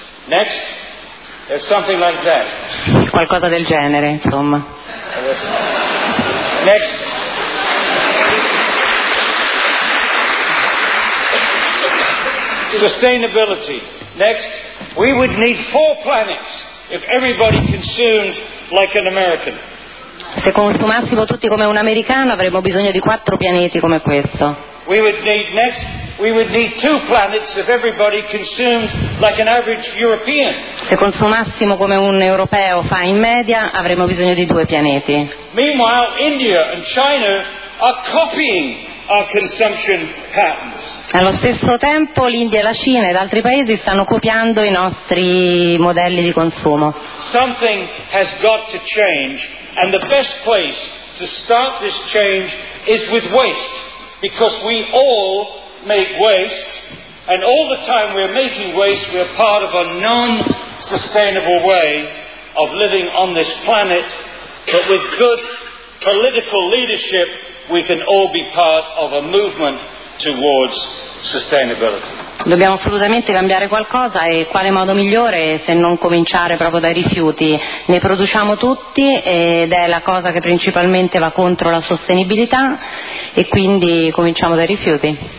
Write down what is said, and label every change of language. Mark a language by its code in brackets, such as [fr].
[en] Next, there's something like that. [it] Qualcosa del genere, insomma. [en] Next. Sustainability. Next, we would need four planets if everybody consumed like an American. [it] Se consumassimo tutti come un americano, avremmo bisogno di quattro pianeti come questo. [en] We would need next. We would need two planets if everybody consumed like an average European. [it] Se consumassimo come un europeo fa in media, avremmo bisogno di due pianeti. [en] Meanwhile, India and China are copying our consumption patterns. [it] Allo stesso tempo, l'India e la Cina ed altri paesi stanno copiando i nostri modelli di consumo. [en] Something has got to change, and the best place to start this change is with waste. Because we all make waste, and all the time we're making waste, we're part of a non-sustainable way of living on this planet, but with good political leadership, we can all be part of a movement towards sustainability. [it] Dobbiamo assolutamente cambiare qualcosa, e quale modo migliore se non cominciare proprio dai rifiuti? Ne produciamo tutti ed è la cosa che principalmente va contro la sostenibilità, e quindi cominciamo dai rifiuti.